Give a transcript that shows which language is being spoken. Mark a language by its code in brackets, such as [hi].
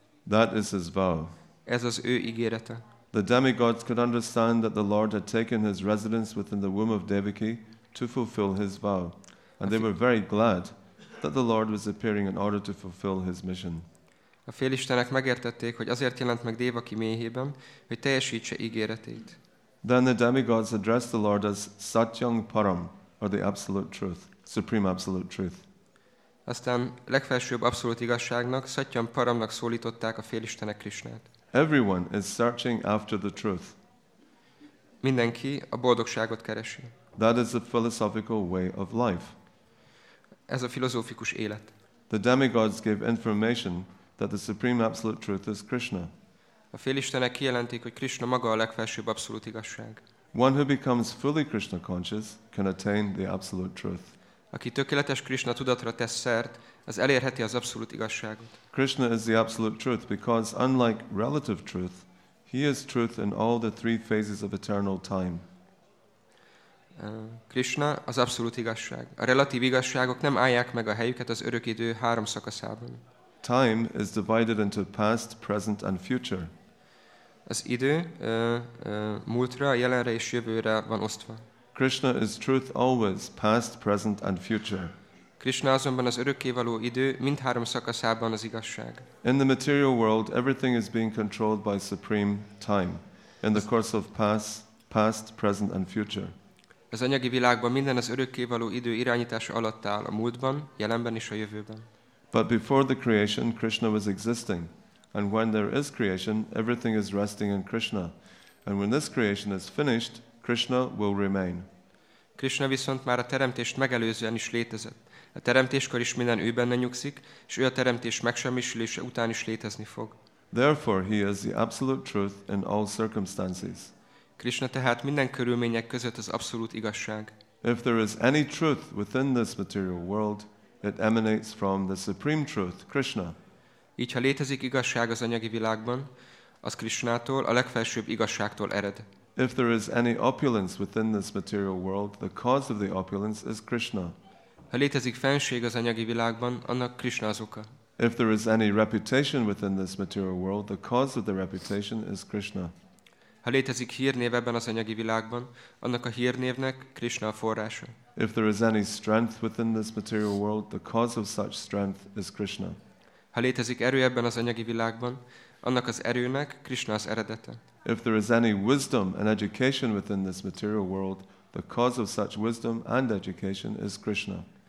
[en] That is his vow. [hu] Ez az ő ígérete. [en] The demigods could understand that the Lord had taken his residence within the womb of Devaki to fulfill his vow, and they were very glad that the Lord was appearing in order to fulfill his mission. [hu] A félistenek megértették, hogy azért jelent meg Devaki méhében, hogy teljesítse ígéretét. [en] Then the demigods addressed the Lord as Satyam Param, or the absolute truth, supreme absolute truth. [hu] Aztán legfelsőbb abszolút igazságnak, Satyam Paramnak szólították a félistenek Krisnát. [en] Everyone is searching after the truth. [hu] Mindenki a boldogságot keresi. [en] That is the philosophical way of life. [hu] Ez a filozófikus élet. [en] The demigods gave information that the supreme absolute truth is Krishna. [hu] A félistenek kijelentik, hogy Krishna maga a legfelsőbb abszolút igazság. [en] One who becomes fully Krishna conscious can attain the absolute truth. [hu] Aki tökéletes Krishna tudatra tesz szert, az elérheti az abszolút igazságot. [en] Krishna is the absolute truth because unlike relative truth, he is truth in all the three phases of eternal time. [hu] Krishna az abszolút igazság. A relatív igazságok nem állják meg a helyüket az örök idő három szakaszában. [en] Time is divided into past, present and future. [hu] Az idő múltra, jelenre és jövőre van osztva. [en] Krishna is truth always, past, present and future. [hu] Krishna azonban az örökkévaló idő mindhárom szakaszában az igazság. [en] In the material world, everything is being controlled by supreme time in the course of past, present and future. [hu] Az anyagi világban minden az örökkévaló idő irányítása alatt áll, a múltban, jelenben és a jövőben. [en] But before the creation, Krishna was existing. And when there is creation, everything is resting in Krishna. And when this creation is finished, Krishna will remain. [hu] Krishna viszont már a teremtést megelőzően is létezett. A teremtéskor is minden ő benne nyugszik, és ő a teremtés megsemmisülése után is létezni fog. [en] Therefore, he is the absolute truth in all circumstances. [hu] Krishna tehát minden körülmények között az abszolút igazság. [en] If there is any truth within this material world, it emanates from the supreme truth, Krishna. [hu] Így, ha létezik igazság az anyagi világban, az Krishnától, a legfelsőbb igazságtól ered. [en] If there is any opulence within this material world, the cause of the opulence is Krishna. [hu] Ha létezik fennség az anyagi világban, annak Krishna az oka. [en] If there is any reputation within this material world, the cause of the reputation is Krishna. [hu] Ha létezik hírnév ebben az anyagi világban, annak a hírnévnek Krishna a forrása. [en] If there is any strength within this material world, the cause of such strength is Krishna. [hu] Ha létezik erő ebben az anyagi világban, annak az erőnek Krishna az eredete. [en] If there is any wisdom and education within this material world, the cause of such wisdom and education is Krishna.